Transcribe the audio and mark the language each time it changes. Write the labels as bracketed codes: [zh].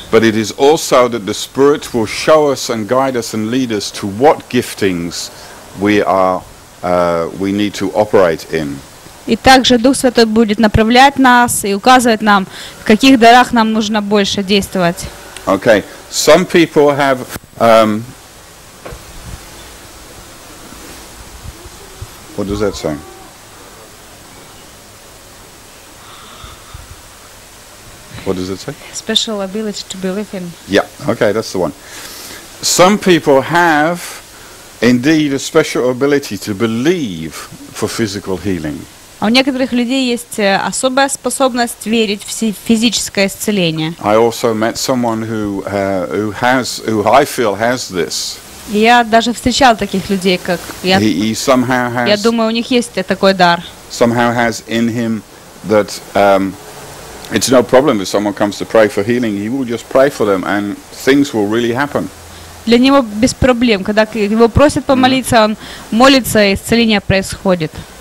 [en] But it is also that the Spirit will show us and guide us and lead us to what giftings we need to operate in. [ru] И также Дух Святой будет направлять нас и указывать нам, в каких дарах нам нужно больше действовать. [en] Okay. Some people have what does that say? What does it say? Special ability to believe in. Yeah, okay, that's the one. Some people have indeed a special ability to believe for physical healing. [ru] А у некоторых людей есть особая способность верить в физическое исцеление. [en] I also met someone who I feel has this. [ru] Я даже встречал таких людей, как я. [en] He somehow has. [ru] Я думаю, у них есть такой дар. [en] Somehow has in him that it's no problem if someone comes to pray for healing. He will just pray for them, and things will really happen. [ru] Для него без проблем, когда его просят помолиться, он молится, и исцеление происходит.